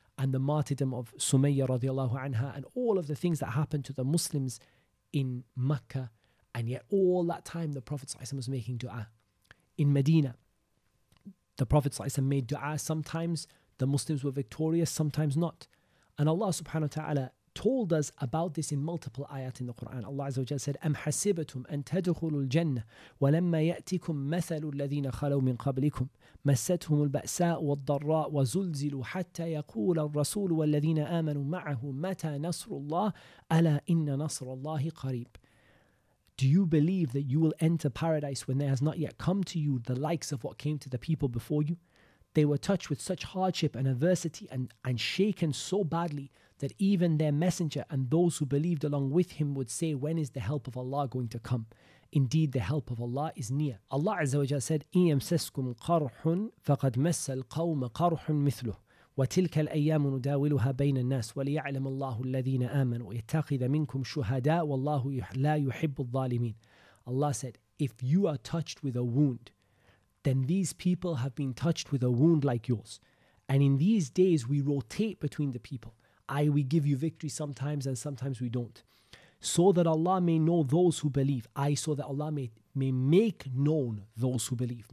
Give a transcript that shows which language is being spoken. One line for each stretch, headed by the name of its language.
English: and the martyrdom of Sumayya radiallahu anha and all of the things that happened to the Muslims in Mecca, and yet all that time the Prophet was making dua. In Medina, the Prophet made dua. Sometimes the Muslims were victorious, sometimes not. And Allah subhanahu wa ta'ala told us about this in multiple ayat in the Quran. Allah Azza wa Jalla said,
Arabic: أَمْ حَسِبَتُمْ أَن تَدْخُلُوا الْجَنَّةِ وَلَمَّا يَأْتِكُمْ مَثَلُ الَّذِينَ خَلَوْا مِنْ قَبْلِكُمْ مَسَّتْهُمُ الْبَأْسَاءُ وَالضَّرَّاءُ وَزُلْزِلُوا حَتَّى يَقُولَ الرَّسُولُ وَالَّذِينَ آمَنُوا مَعَهُ مَتَى نَصْرُ اللَّهِ أَلَا إِنَّ نَصْرَ اللَّهِ قَرِيبٌ.
English: Do you believe that you will enter paradise when there has not yet come to you the likes of what came to the people before you? They were touched with such hardship and adversity and shaken so badly that even their messenger and those who believed along with him would say, when is the help of Allah going to come? Indeed, the help of Allah is near. Allah Azza wa Jalla said,
Arabic: إِنْ يَمْسَسْكُمْ قَرْحٌ فَقَدْ مَسَّ الْقَوْمَ قَرْحٌ مِثْلُهُ وَتِلْكَ الْأَيَّامُ نُدَاوِلُهَا بَيْنَ النَّاسِ وَلِيَعْلَمَ اللَّهُ الَّذِينَ آمَنُوا وَيَتَّخِذَ مِنْكُمْ شُهَدَاءُ وَاللَّهُ لَا يُحِبُّ الظَّالِمِينَ.
English: Allah said, if you are touched with a wound, then these people have been touched with a wound like yours. And in these days, we rotate between the people. We give you victory sometimes and sometimes we don't. So that Allah may know those who believe. So that Allah may make known those who believe.